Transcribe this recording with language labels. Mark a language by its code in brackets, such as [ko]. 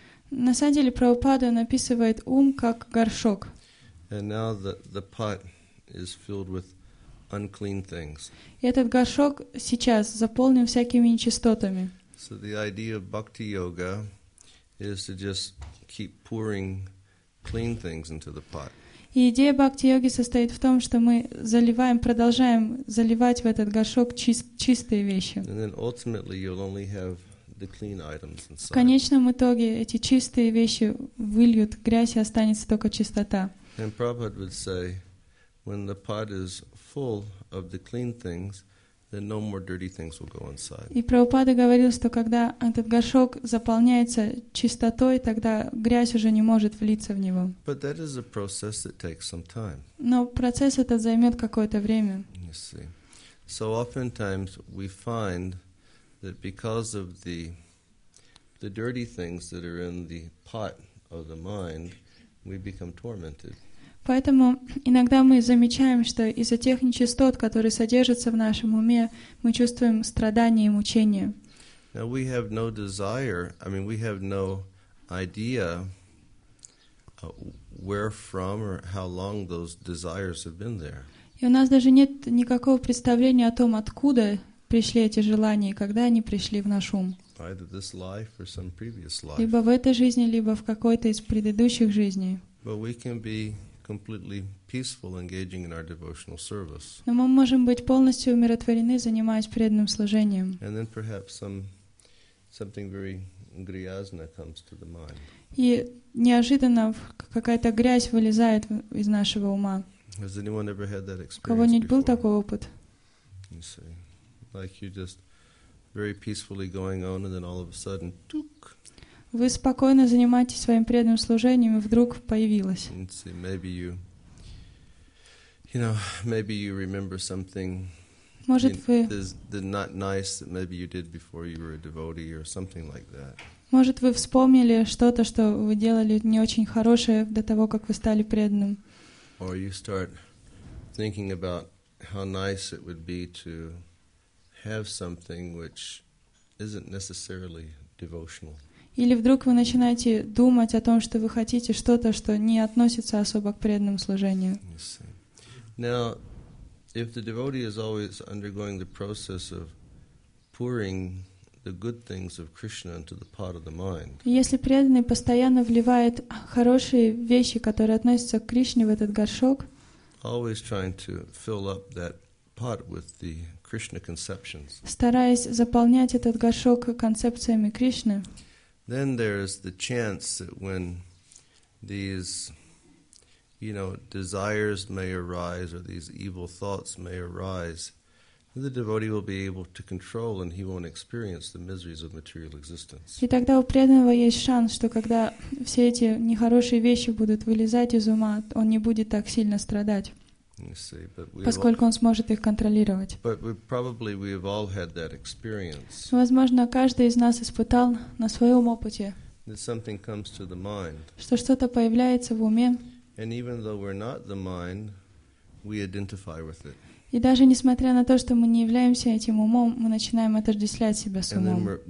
[ru] На самом деле, Прабхупада описывает ум как горшок. [en] And now the pot is filled with unclean things. [ru] Этот горшок сейчас заполнен всякими нечистотами. [en] So the idea of bhakti yoga is to just keep pouring clean things into the pot. [ru] И идея бхакти-йоги состоит в том, что мы заливаем, продолжаем заливать в этот горшок чистые вещи. [en] And then ultimately you'll only have the clean items inside. [ru] В конечном итоге эти чистые вещи выльют грязь, и останется только чистота. [en] And Prabhupada would say, when the pot is full of the clean things, then no more dirty things will go inside. [ru] И Прабхупада говорил, что когда этот горшок заполняется чистотой, тогда грязь уже не может влиться в него. [en] But that is a process that takes some time. [ru] Но процесс этот займет какое-то время. [en] You see. So oftentimes we find that because of the dirty things that are in the pot of the mind, we become tormented. [ru] Поэтому иногда мы замечаем, что из-за тех нечистот, которые содержатся в нашем уме, мы чувствуем страдания и мучения. [en] Now we have no desire, I mean, we have no idea where from or how long those desires have been there. [ru] И у нас даже нет никакого представления о том, откуда пришли эти желания и когда они пришли в наш ум. [en] Either this life or some previous life. [ru] Либо в этой жизни, либо в какой-то из предыдущих жизней. [en] But we can be completely peaceful, engaging in our devotional service. [ru] Но мы можем быть полностью умиротворены, занимаясь преданным служением. [en] And then perhaps something very griyazna comes to the mind. [ru] И неожиданно какая-то грязь вылезает из нашего ума. [en] Has anyone ever had that experience? [ru] У кого-нибудь был такой опыт? [en] You see, like you're just very peacefully going on, and then all of a sudden, tuk. [ru] Вы спокойно занимаетесь своим преданным служением, и вдруг появилось. [en] See, maybe maybe you remember something. [ru] Может, вы [en] not nice that maybe you did before you were a devotee or something like that. [ru] Может, вы вспомнили что-то, что вы делали не очень хорошее до того, как вы стали преданным. [en] Or you start thinking about how nice it would be to have something which isn't necessarily devotional. [ru] Или вдруг вы начинаете думать о том, что вы хотите что-то, что не относится особо к преданному служению. [en] Now, if the devotee is always undergoing the process of pouring the good things of Krishna into the pot of the mind. [ru] Если преданный постоянно вливает хорошие вещи, которые относятся к Кришне, в этот горшок. [en] Always trying to fill up that pot with the Krishna conceptions. [ru] Стараясь заполнять этот горшок концепциями Кришны. [en] Then there is the chance that when these, you know, desires may arise or these evil thoughts may arise, the devotee will be able to control and he won't experience the miseries of material existence. [ru] И тогда у преданного есть шанс, что когда все эти нехорошие вещи будут вылезать из ума, он не будет так сильно страдать, поскольку он сможет их контролировать. [en] But we've all had that experience. [ru] Возможно, каждый из нас испытал на своем опыте, [en] that something comes to the mind. [ru] Что что-то появляется в уме. [en] And even though we're not the mind, we identify with it. [ru] И даже несмотря на то, что мы не являемся этим умом, мы начинаем отождествлять себя с умом.